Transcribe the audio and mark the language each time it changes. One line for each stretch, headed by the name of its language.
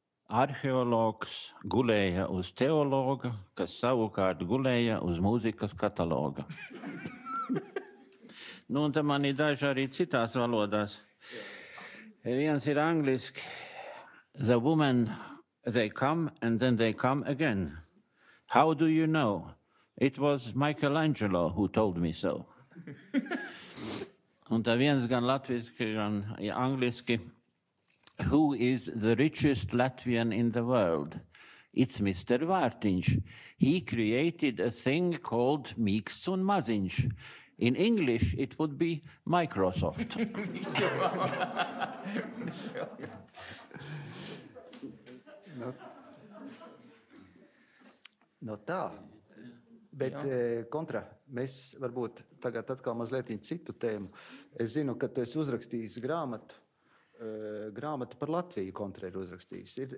Latvian: Arheologs gulēja uz teologa, kas savukārt gulēja uz mūzikas kataloga. Nu, un te man ir daži arī citās valodās. Viens ir angliski.
English: The woman, they come and then they come again. How do you know? It was Michelangelo who told me so.
Latvian: Un te viens gan latviski, gan angliski.
English: Who is the richest Latvian in the world? It's Mr. Vārtiņš. He created a thing called Mīksts un Maziņš. In English, it would be Microsoft.
Latvian: No, no tā, bet kontra, mēs varbūt tagad atkal mazliet citu tēmu. Es zinu, ka tu esi uzrakstījis grāmatu. Grāmatu par Latviju kontra ir uzrakstījis.